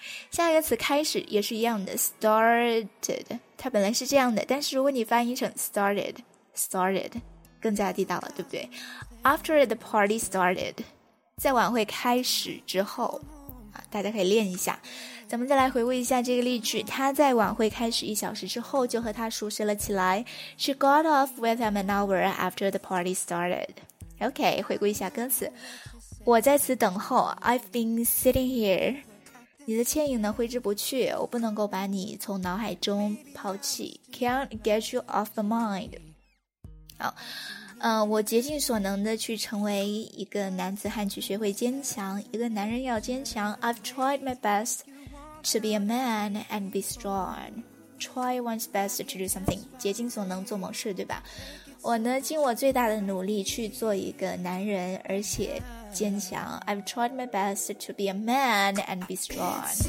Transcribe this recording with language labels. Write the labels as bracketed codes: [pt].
[zh] 下一个词开始也是一样的 ，started， 它本来是这样的，但是如果你翻译成 started， 更加地道了，对不对 ？ [en] After the party started， [zh] 在晚会开始之后，大家可以练一下。咱们再来回顾一下这个例句，他在晚会开始一小时之后就和他熟识了起来。 [en] She got off with him an hour after the party started. [zh] OK， 回顾一下歌词。我在此等候 [en] ，I've been sitting here。 [zh] 你的倩影呢挥之不去，我不能够把你从脑海中抛弃 ， [en] Can't get you off the mind。 [zh] 好，我竭尽所能的去成为一个男子汉，去学会坚强。一个男人要坚强 [en] ，I've tried my best。 To be a man and be strong. Try one's best to do something. [zh] 竭尽所能做某事，对吧？我呢，尽我最大的努力去做一个男人，而且坚强。 [en] I've tried my best to be a man and be strong.